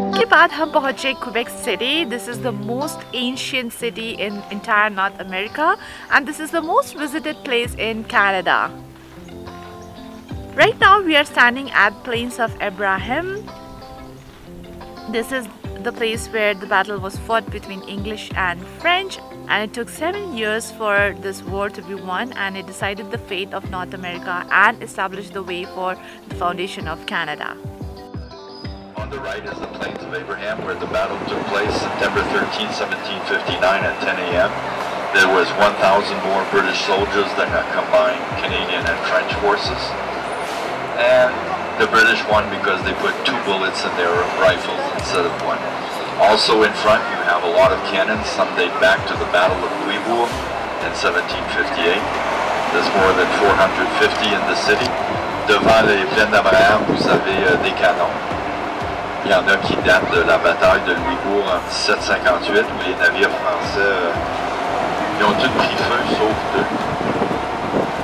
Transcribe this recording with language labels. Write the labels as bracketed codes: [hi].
[hi] बाद हम पहुंचे [en] Quebec City. This is the most ancient city in entire North America and this is the most visited place in Canada. Right now we are standing at Plains of Abraham. This is the place where the battle was fought between English and French, and it took 7 years for this war to be won, and it decided the fate of North America and established the way for the foundation of Canada. On the right is the Plains of Abraham, where the battle took place September 13, 1759 at 10 a.m. There was 1,000 more British soldiers than a combined Canadian and French forces. And the British won because they put two bullets in their rifles instead of one. Also in front, you have a lot of cannons. Some date back to the Battle of Louisbourg in 1758. There's more than 450 in the city. [fr] Devant les Plaines d'Abraham, vous avez des canons. Il y en a qui datent de la bataille de Louisbourg en 1758, où les navires français ils ont tous pris feu, sauf deux.